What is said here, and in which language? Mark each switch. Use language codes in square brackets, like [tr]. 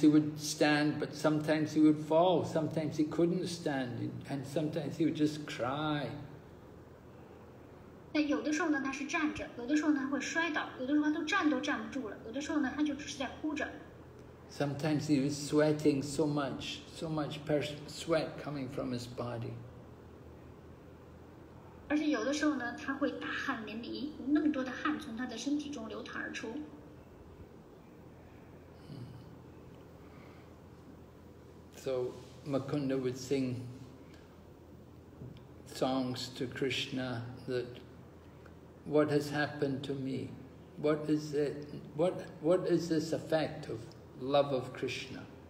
[en] he would stand, but sometimes he would fall. Sometimes he couldn't stand, and sometimes he would just cry. [zh] 那有的时候呢，他是站着；有的时候呢，会摔倒；有的时候他都站都站不住了；有的时候呢，他就只是在哭着。 [en] Sometimes he was sweating so much sweat coming from his body. [zh] 而且有的时候呢，他会大汗淋漓，那么多的汗从他的身体中流淌而出。 [en] So Makunda would sing songs to Krishna that what has happened to me? What is it? What is this effect of love of Krishna?